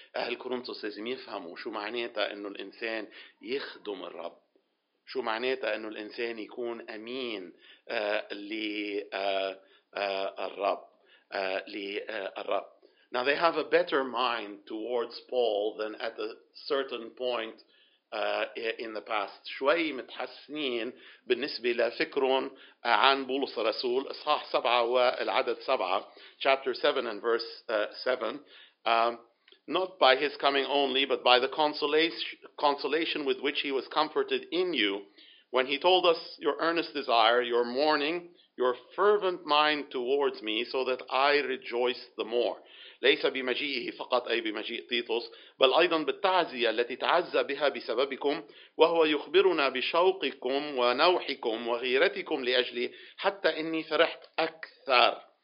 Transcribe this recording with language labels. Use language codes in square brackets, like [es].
[ar] أهل كورنثوس لازم يفهموا شو معناتها إنه الإنسان يخدم الرب، شو معناتها إنه الإنسان يكون أمين للرب للرب. [en] Now they have a better mind towards Paul than at a certain point in the past. [ar] شوي متحسنين بالنسبة لفكرهم عن بولس الرسول. إصحاح 7 والعدد 7, [en] chapter 7 and verse 7. Not by his coming only, but by the consolation with which he was comforted in you, when he told us your earnest desire, your mourning, your fervent mind towards me, so that I rejoice the more. [ar] ليس بمجيئه فقط أي بمجيء تيتوس، بل أيضا بالتعزية التي تعزى بها بسببكم، وهو يخبرنا بشوقكم ونوحكم وغيرتكم لأجلي حتى إني فرحت أكثر.